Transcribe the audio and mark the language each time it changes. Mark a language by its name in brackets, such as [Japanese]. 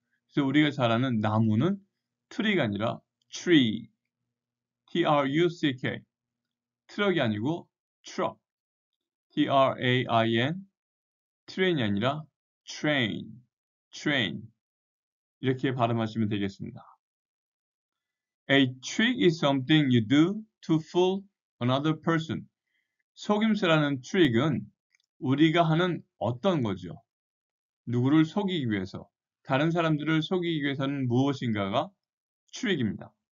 [Korean] 그래서 우리가 잘 아는 나무는 트리가 아니라 트리. T-R-U-C-K. 트럭이 아니고 트럭. [English] T-R-A-I-N. [Korean] 트레인이 아니라 트레인. 트레인. 이렇게 발음하시면 되겠습니다. [English] A trick is something you do to fool another person. [Korean] 속임수라는 트릭은 우리가 하는 어떤 거죠? 누구를 속이기 위해서, 다른 사람들을 속이기 위해서는 무엇인가가 트릭입니다.